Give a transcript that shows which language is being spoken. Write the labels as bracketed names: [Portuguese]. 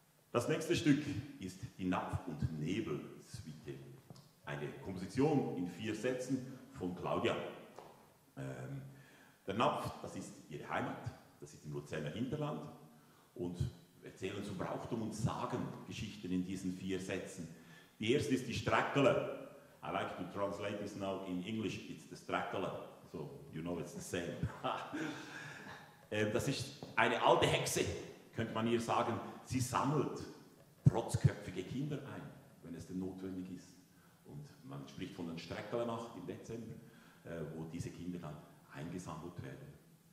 [German] Das nächste Stück ist die Napf- und Nebel-Suite. Eine Komposition in 4 Sätzen von Claudia. Der Napf, das ist ihre Heimat, das ist im Luzerner Hinterland. Und erzählen zum Brauchtum und sagen Geschichten in diesen 4 Sätzen. Die erste ist die Streckele. [English] I like to translate this now in English, it's the Streckele. So, you know it's the same. [German] Das ist eine alte Hexe, könnte man ihr sagen. Sie sammelt protzköpfige Kinder ein, wenn es denn notwendig ist. Und man spricht von den Streckele nach im Dezember, wo diese Kinder dann eingesammelt werden.